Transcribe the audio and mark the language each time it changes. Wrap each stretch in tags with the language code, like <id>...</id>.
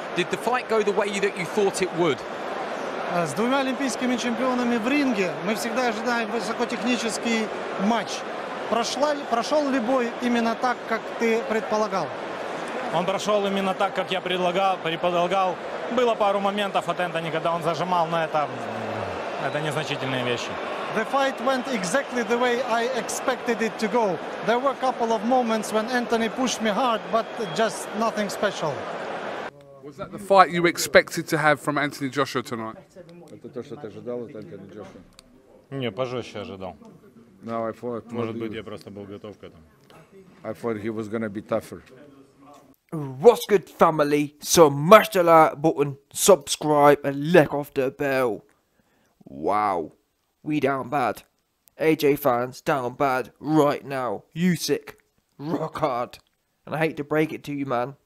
<en>Did the fight go the way that you thought it would?</en> <ru>С двумя олимпийскими чемпионами в ринге мы всегда ожидаем высокотехнический матч. Прошел ли бой именно так, как ты предполагал? Он прошел именно так, как я предполагал. Было пару моментов от Энтони, когда он зажимал, но это незначительные вещи.</ru> <en>The fight went exactly the way I expected it to go. There were a couple of moments when Anthony pushed me hard, but just nothing special. Was that the fight you expected to have from Anthony Joshua tonight?</en> <ru>Это то, что ты ожидал от Энтони Джошуа? Не, пожестче ожидал.</ru> <en>No, I thought.</en> <ru>Может быть, я просто был готов к этому.</ru> <en>I thought he was going to be tougher. What's good, family? So smash the like button, subscribe, and lick off the bell. Wow, we down bad. AJ fans down bad right now. Usyk, rock hard. And I hate to break it to you, man.</en>